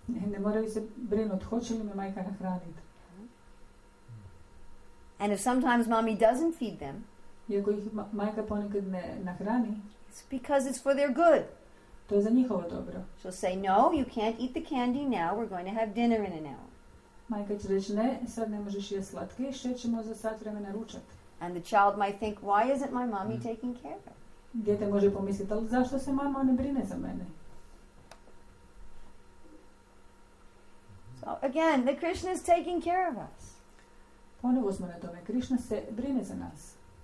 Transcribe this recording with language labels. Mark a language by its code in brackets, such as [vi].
[hr] Ne moraju se brinuti, hoće li me majka nahraniti. [en] And if sometimes mommy doesn't feed them, [hr] iako ih majka ponekad ne nahrani, [en] it's because it's for their good. [hr] To je za njihovo dobro. [en] She'll say, no, you can't eat the candy now, we're going to have dinner in an hour. [hr] Majka će reći, ne, sad ne možeš jesti slatke, šećemo za sat vremena ručak. [en] And the child might think, why isn't my mommy taking care of [hr] me? Dijete može pomisliti, ali zašto se mama ne brine za mene? [en] So again, the Krishna is taking care of us. [hr] Ponovo smo na tome, Krishna se brine za nas.